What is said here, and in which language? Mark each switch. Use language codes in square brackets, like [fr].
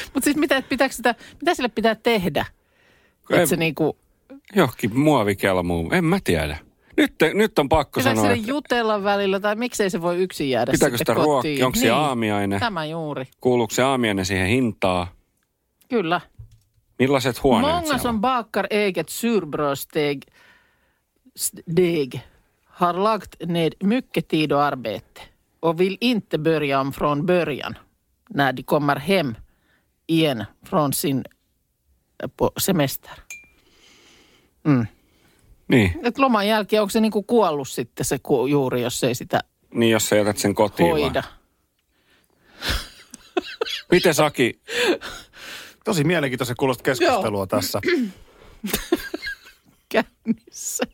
[fi] Mutta siis mitä sille pitää tehdä? Että se niinku johonkin muovikelmuun, en mä tiedä. Nyt on pakko pitääkö sanoa. Pitääkö sille että jutella välillä tai miksei se voi yksin jäädä pitääkö sitten sitä kotiin? Pitääkö sitä ruokkia? Onko niin. se aamiainen? Tämä juuri. Kuuluuko se aamiainen siihen hintaan? Kyllä. Millaiset huoneet [sv] Mångas [fi] siellä? [sv] Många som bakar eget surbrödsdeg har lagt ned mycket tid och arbete och vill inte börja om från början när de kommer hem igen från sin semester. Mm. [fi] Niin. Et loman jälkeen onko se niinku kuollut sitten se juuri, jos ei sitä niin, jos sä jätät sen kotiin hoida. Miten Saki? Tosi mielenkiintoista kuulosta keskustelua joo. tässä. Kännissä.